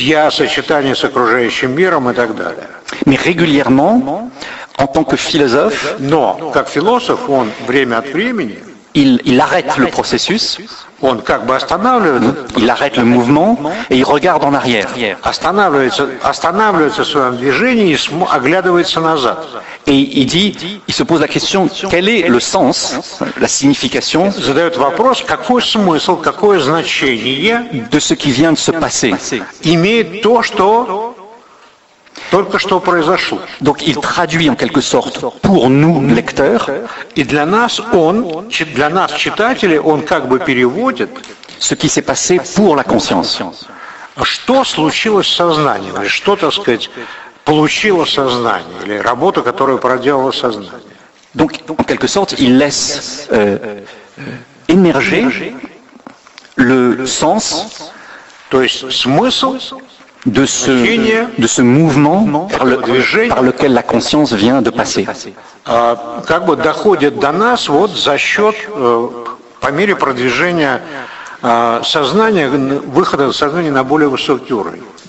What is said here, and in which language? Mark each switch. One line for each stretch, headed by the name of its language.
Russian: Сочетание с окружающим миром и так далее.
French: Mais régulièrement, en tant que philosophe,
Russian: но как философ, он время от времени,
French: il arrête le processus,
Russian: он как бы останавливает,
French: il arrête le mouvement et il regarde en arrière.
Russian: Останавливается в своем движении и оглядывается назад.
French: Et il dit, il se pose la question, quel est le sens, la signification,
Russian: задает вопрос, какой смысл, какое значение
French: de ce qui vient de se passer,
Russian: имеет то, что только что произошло.
French: Donc il traduit en quelque sorte pour nous lecteurs et
Russian: для нас он, для нас читателей, он как бы переводит
French: ce qui s'est passé pour la conscience.
Russian: Что случилось с сознанием? Или что, так сказать, получило сознание или работа, которую проделало сознание?
French: Donc en quelque sorte, il laisse émerger le sens,
Russian: то есть смысл
French: de ce mouvement par lequel la conscience vient de passer.
Russian: Как бы доходит до нас вот за счет по мере продвижения сознания, выхода сознания на более высокий уровень.